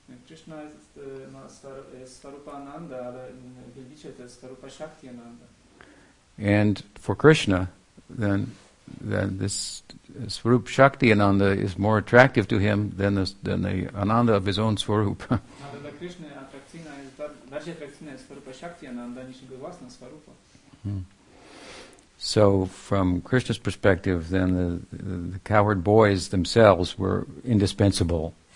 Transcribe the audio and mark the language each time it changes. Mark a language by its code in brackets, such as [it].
[pl] Krishna ma Swarupa Ananda, ale wielbiciel to jest Swarupa Shakti Ananda. [en] And for Krishna, then this Swarup Shakti Ananda is more attractive to him than the Ananda of his own Swarup. [pl] Ale dla Krishna atrakcyjna jest bardziej atrakcyjna jest Swarupa Shakti Ananda niż jego własna Swarupa. [en] So from Krishna's perspective, then the coward boys themselves were indispensable.